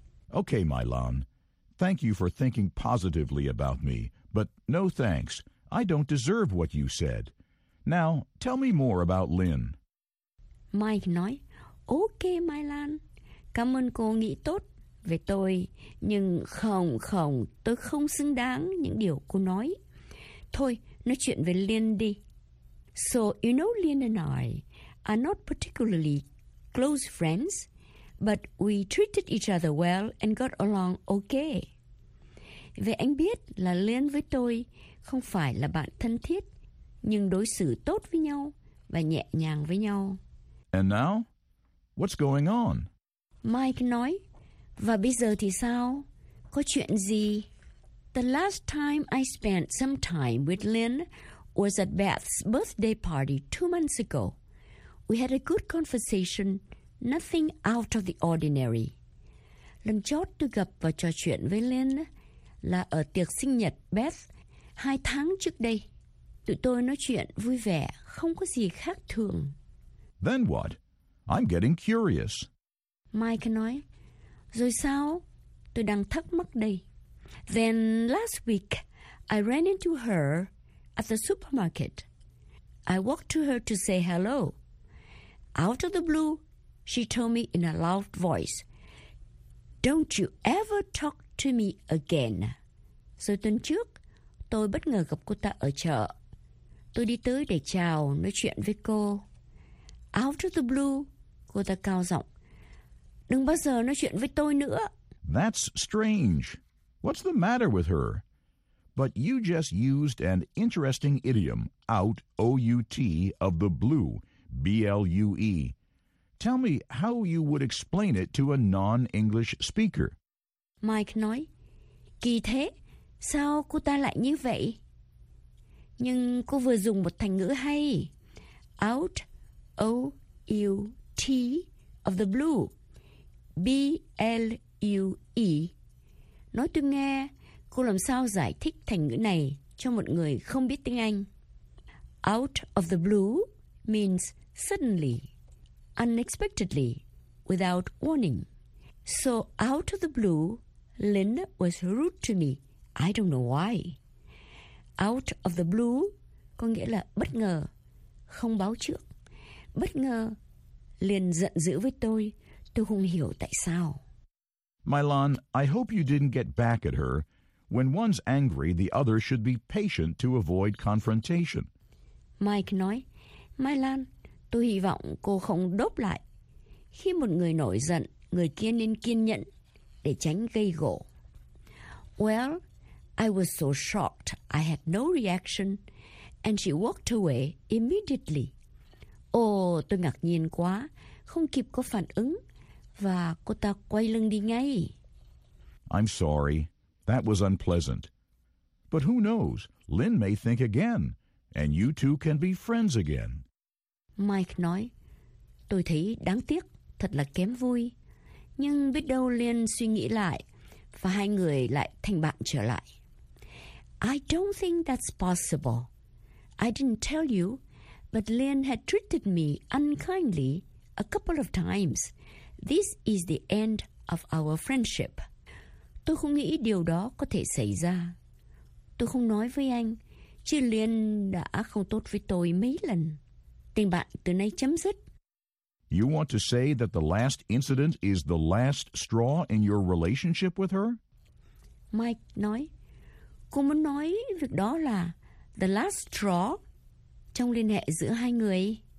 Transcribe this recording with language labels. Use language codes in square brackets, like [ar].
[en] Okay, Mylan, thank you for thinking positively about me, but no thanks. I don't deserve what you said. Now, tell me more about Lynn. [vi] Mike nói, ok Mylan, cảm ơn cô nghĩ tốt về tôi, nhưng không, không, tôi không xứng đáng những điều cô nói. Thôi, nói chuyện về Lynn đi. [en] So, you know Lynn and I are not particularly close friends, but we treated each other well and got along okay. [vi] Vậy anh biết là Lynn với tôi không phải là bạn thân thiết, nhưng đối xử tốt với nhau và nhẹ nhàng với nhau. [en] And now, what's going on? [vi] Mike nói, và bây giờ thì sao? Có chuyện gì? [en] The last time I spent some time with Lynn was at Beth's birthday party 2 months ago. We had a good conversation, nothing out of the ordinary. [vi] Lần chót tôi gặp và trò chuyện với Lynn là ở tiệc sinh nhật Beth 2 tháng trước đây. Tụi tôi nói chuyện vui vẻ, không có gì khác thường. [en] Then what? I'm getting curious. [vi] Mike nói, rồi sao? Tôi đang thắc mắc đây. [en] Then last week, I ran into her at the supermarket. I walked to her to say hello. Out of the blue, she told me in a loud voice, "Don't you ever talk to me again." [vi] Rồi tuần trước, tôi bất ngờ gặp cô ta ở chợ. Tôi đi tới để chào, nói chuyện với cô. [en] Out of the blue, [vi] cô ta cao giọng, "Đừng bao giờ nói chuyện với tôi nữa." [en] That's strange. What's the matter with her? But you just used an interesting idiom, out, O-U-T, of the blue, B-L-U-E. Tell me how you would explain it to a non-English speaker. [vi] Mike nói, kỳ thế, sao cô ta lại như vậy? Nhưng cô vừa dùng một thành ngữ hay. [en] Out, O-U-T, of the blue, B-L-U-E. [vi] Nói tôi nghe, cô làm sao giải thích thành ngữ này cho một người không biết tiếng Anh? [en] Out of the blue means suddenly, unexpectedly, without warning. So out of the blue, Lynn was rude to me. I don't know why. Out of the blue [vi] có nghĩa là bất ngờ, không báo trước. Bất ngờ, Lynn giận dữ với tôi. Tôi không hiểu tại sao. [en] Mylon, I hope you didn't get back at her. When one's angry, the other should be patient to avoid confrontation. [vi] Mike nói, Mylon, tôi hy vọng cô không đốp lại. Khi một người nổi giận, người kia nên kiên nhẫn để tránh gây gổ. [en] Well, I was so shocked I had no reaction, and she walked away immediately. [vi] Oh, tôi ngạc nhiên quá, không kịp có phản ứng, và cô ta quay lưng đi ngay. [en] I'm sorry. That was unpleasant. But who knows? Lynn may think again, and you two can be friends again. [vi] Mike nói, tôi thấy đáng tiếc, thật là kém vui. Nhưng biết đâu Lynn suy nghĩ lại, và hai người lại thành bạn trở lại. [en] I don't think that's possible. I didn't tell you, but Lynn had treated me unkindly a couple of times. This is the end of our friendship. [vi] Tôi không nghĩ điều đó có thể xảy ra. Tôi không nói với anh, chứ Liên đã không tốt với tôi mấy lần. Tình bạn từ nay chấm dứt. [en] You want to say that the last incident is the last straw in your relationship with her? [vi] Mike nói, cô muốn nói việc đó là [en] the last straw [vi] trong liên hệ giữa hai người.